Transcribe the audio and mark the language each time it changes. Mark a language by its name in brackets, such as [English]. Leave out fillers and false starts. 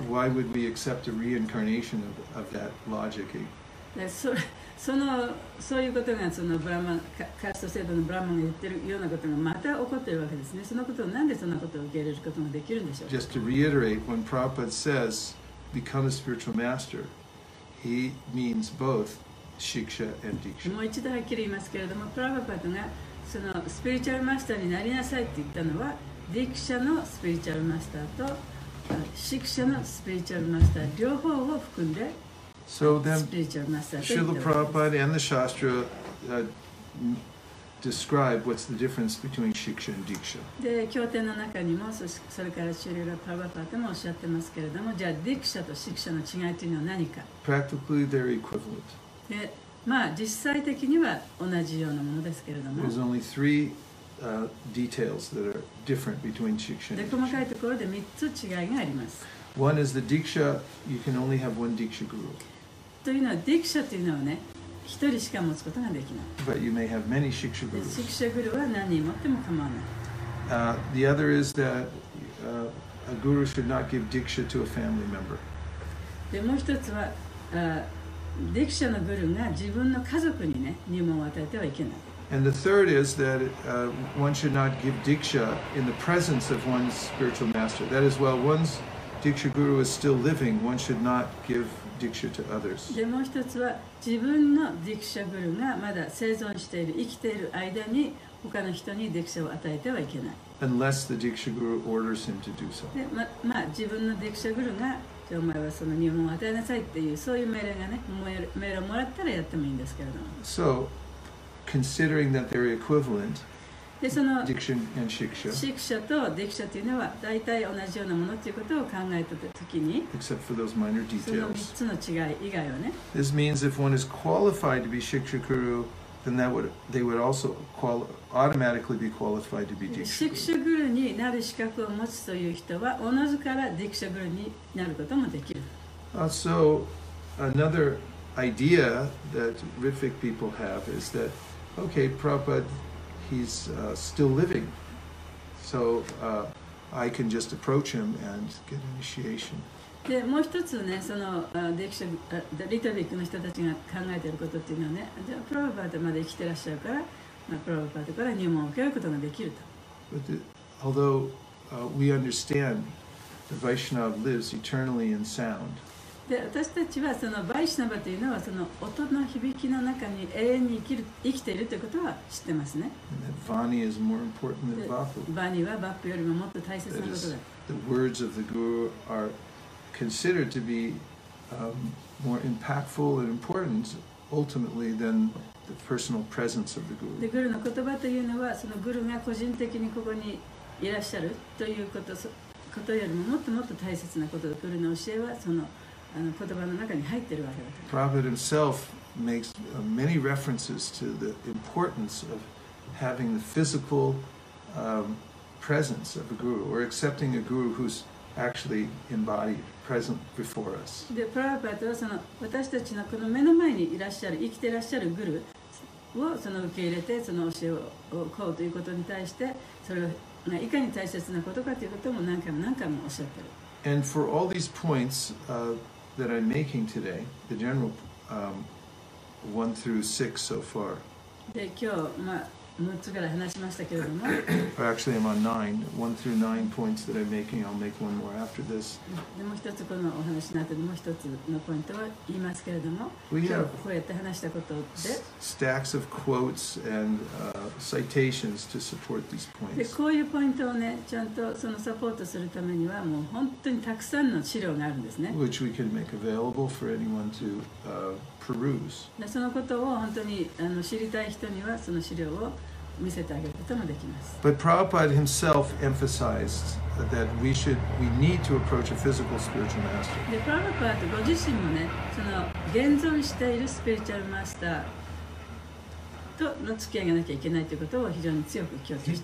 [English] So why would we accept a reincarnation of that logic? [Japanese] そういうことがそのブラマン、カースト制度のブラマンが言ってるようなことがまた起こってるわけですね。そのことをなんでそのことを受け入れることができるんでしょう。 [English] Just to reiterate, when Prabhupada says, become a spiritual master, he means bothShiksha and Diksha. [Japanese] もう一度はっきり言いますけれども、プラバパーダがそのスピリチュアルマスターになりなさいって言ったのは、ディクシャのスピリチュアルマスターとシクシャのスピリチュアルマスター両方を含んで、 [English] so、then, [Japanese] スピリチュアルマスターと言ったわけです。 [English] Srila Prabhupada and the Shastra describe what's the difference between Shiksha and Diksha. [Japanese] で、経典の中にも、それからシリラ・プラバパタもおっしゃってますけれども、じゃあ、Diksha と Shiksha の違いというのは何か。 [English] Practically, they're equivalent. [Japanese] で、まあ、実際的には同じようなものですけれども。 [English] There's only three, details that are different between Shiksha and Diksha. [Japanese] で、細かいところで3つ違いがあります。 [English] One is the Diksha, you can only have one Diksha Guru. [Japanese] というのは、Diksha というのはね、一人しか持つことができない。 [English] But you may have many Shiksha Gurus. [Japanese] Shiksha Guru は何人持っても構わない。 [English] The other is that, a Guru should not give Diksha to a family member. [Japanese] で、もう一つは、Diksha の Guru が自分の家族にね、入門を与えてはいけない。 [English] And the third is that, one should not give Diksha in the presence of one's spiritual master. That is, while one's Diksha Guru is still living, one should not give Diksha to others. [Japanese] で、もう一つは、自分のディクシャグルがまだ生存している、生きている間に他の人にディクシャを与えてはいけない。 [English] Unless the Diksha Guru orders him to do so. [Japanese] で、まあ、自分のディクシャグルが、じゃあお前はその入門を与えなさいっていう、そういう命令がね、命令をもらったらやってもいいんですけれども。 [English] So, considering that they're equivalent, Diksha and Shiksha. [Japanese] Shiksha とディクシャというのは大体同じようなものということを考えたときに、 [English] except for those minor details. [Japanese] その3つの違い以外はね。 [English] This means if one is qualified to be Shiksha Guru, then that would, they would also automatically be qualified to be Diksha Guru. [Japanese] Shiksha Guru になる資格を持つという人は、おのずからディクシャ Guru になることもできる。 [English] So, another idea that Rifik people have is that, okay, Prabhupada, he's still living, so I can just approach him and get initiation. [Japanese] で、もう一つね、その、ディクシャ、リトビックの人たちが考えていることっていうのはね、じゃあプラヴァパーダまで生きてらっしゃるから、まあ、プラヴァパーダから入門を受けることができると。 [English] But the, although we understand the Vaishnava lives eternally in sound. [Japanese] で、私たちはそのバイシナバというのはその音の響きの中に永遠に生きているということは知ってますね。 [English] And that Vani is more important than Vapu. [Japanese] Vani はバップよりももっと大切なことだ。 [English] That is, the words of the Guru are considered to be more impactful and important ultimately than the personal presence of the Guru. [Japanese] で、グルの言葉というのはそのグルが個人的にここにいらっしゃるということ、ことよりももっともっと大切なことだ。グルの教えはその [English] Prabhupada himself makes many references to the importance of having the physical presence of a guru or accepting a guru who's actually embodied, present before us. [Japanese] で、プラヴァパーダはその私たちのこの目の前にいらっしゃる、生きていらっしゃるグルをその受け入れてその教えを請うということに対して、それがいかに大切なことかということも何回も何回もおっしゃってる。 [English] And for all these points, that I'm making today, the general, 1 through 6 so far. [Japanese] で、今日、まあ、6つから話しましたけれども。 [English] Or actually, I'm on 9. 1 through 9 points that I'm making, I'll make one more after this. [Japanese] で、もう一つこのお話の後でもう一つのポイントは言いますけれども。今日こうやって話したことで。 [English] Stacks of quotes and citations to support these points. [Japanese] で、こういうポイントをね、ちゃんとそのサポートするためにはもう本当にたくさんの資料があるんですね。 [English] Which we can make available for anyone to peruse. [Japanese] で、そのことを本当に知りたい人にはその資料を見せてあげることもできます。 [English] But Prabhupada himself emphasized that we need to approach a physical spiritual master. [Japanese] で、プラヴァパーダご自身もね、その現存しているスピリチュアルマスターの付き合いがなきゃいけないということを非常に強く強調しています